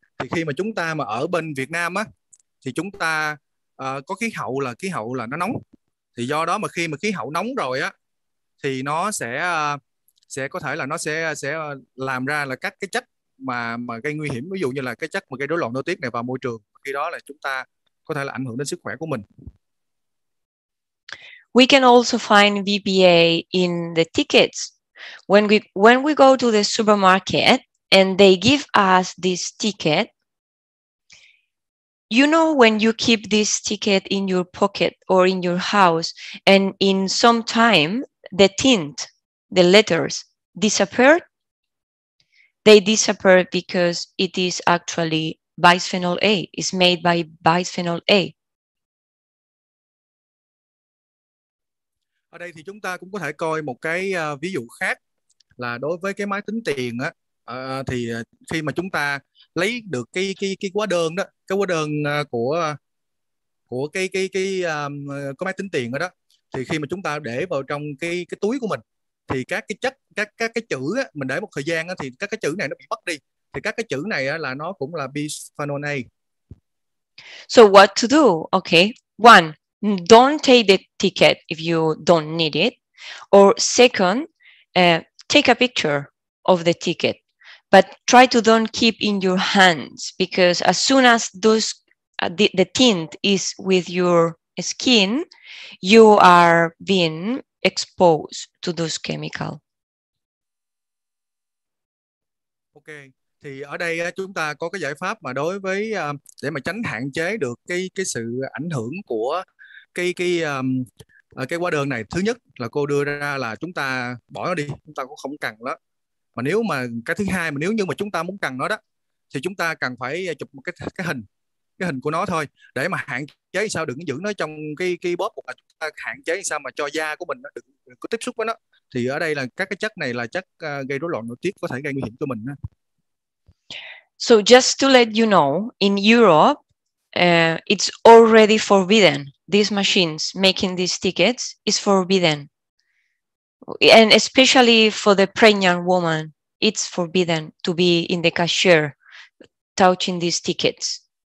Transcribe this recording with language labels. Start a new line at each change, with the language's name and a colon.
Vietnamese: Thì khi mà chúng ta mà ở bên Việt Nam á, thì chúng ta có khí hậu là nó nóng. Thì do đó mà khi mà khí hậu nóng rồi á, thì nó sẽ có thể là nó sẽ làm ra là các cái chất mà gây nguy hiểm, ví dụ như là cái chất mà gây rối loạn nội tiết này vào môi trường, khi đó là chúng ta có thể là ảnh hưởng đến sức khỏe của mình.
English: We can also find BPA in the tickets. When we go to the supermarket and they give us this ticket, you know, when you keep this ticket in your pocket or in your house, and in some time the tint, the letters disappear. They disappear because it is actually bisphenol A. It's made by bisphenol A.
Vietnamese: Ở đây thì chúng ta cũng có thể coi một cái ví dụ khác là đối với cái máy tính tiền á, thì khi mà chúng ta lấy được cái hóa đơn đó, cái hóa đơn của cái máy tính tiền đó, thì khi mà chúng ta để vào trong cái túi của mình, thì các cái chất, các cái chữ á, mình để một thời gian á, thì các cái chữ này nó bị mất đi. Thì các cái chữ này á, là nó cũng là bisphenol A.
English: So what to do? Okay, one, don't take the ticket if you don't need it. Or second, take a picture of the ticket. But try to don't keep in your hands, because as soon as those the tint is with your skin, you are being exposed to those chemical.
Vietnamese: Okay, thì ở đây chúng ta có cái giải pháp mà đối với để mà tránh hạn chế được cái sự ảnh hưởng của cái hóa đơn này. Thứ nhất là cô đưa ra là chúng ta bỏ nó đi, chúng ta cũng không cần đó. Mà nếu mà cái thứ hai, mà nếu như mà chúng ta muốn cần nó đó, thì chúng ta cần phải chụp một cái hình của nó thôi, để mà hạn chế sao đừng giữ nó trong cái bóp, hoặc là chúng ta hạn chế sao mà cho da của mình nó đừng có tiếp xúc với nó. Thì ở đây là các cái chất này là chất gây rối loạn nội tiết, có thể gây nguy hiểm cho mình.
English: So just to let you know, in Europe it's already forbidden. These machines making these tickets is forbidden. And especially for the pregnant woman, it's forbidden to be in the cashier touching these tickets.